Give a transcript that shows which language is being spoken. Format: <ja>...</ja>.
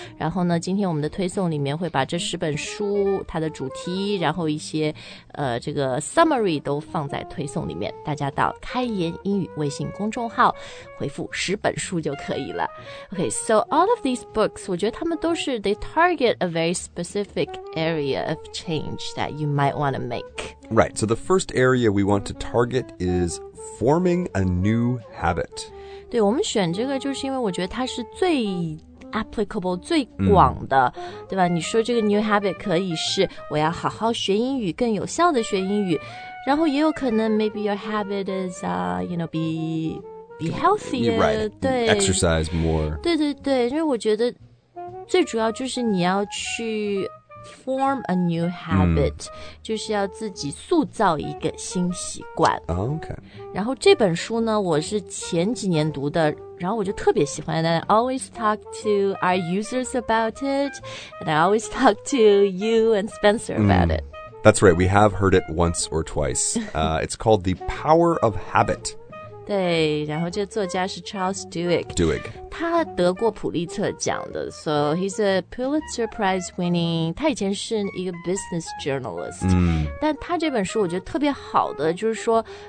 <zh>然后呢，今天我们的推送里面会把这十本书它的主题，然后一些这个 summary 都放在推送里面，大家到开言英语微信公众号回复十本书就可以了。</zh> <en>Okay, so all of these books,</en> <zh>我觉得他们都是</zh> <en>they target a very specific area of change that you might want to make. Right, so the first area we want to target is forming a new habit.</en> <zh>对，我们选这个就是因为我觉得它是最 applicable, 最广的，对吧？你说这个 new habit 可以是我要好好学英语，更有效的学英语，然后也有可能</zh> <en>maybe your habit is, you know, be healthier. You're right,</en> <zh>对</zh> <en>exercise more.</en> <zh>对对对，因为我觉得最主要就是你要去</zh> <en>Form a new habit,</en> <zh>就是要自己塑造一个新习惯。</zh> <en>Okay.</en> <zh>然后这本书呢，我是前几年读的，然后我就特别喜欢。</zh> <en>And I always talk to our users about it, and I always talk to you and Spencer about it. That's right. We have heard it once or twice. it's called The Power of Habit.</en> <zh>对，然后这作家是 Charles Duhigg.</zh> <en>Duhigg.</en> <zh>他得过普利策奖的</zh> <en>So he's a Pulitzer Prize winning</en> <zh>他以前是一个 business journalist 但他这本书我觉得特别好的就是说</zh>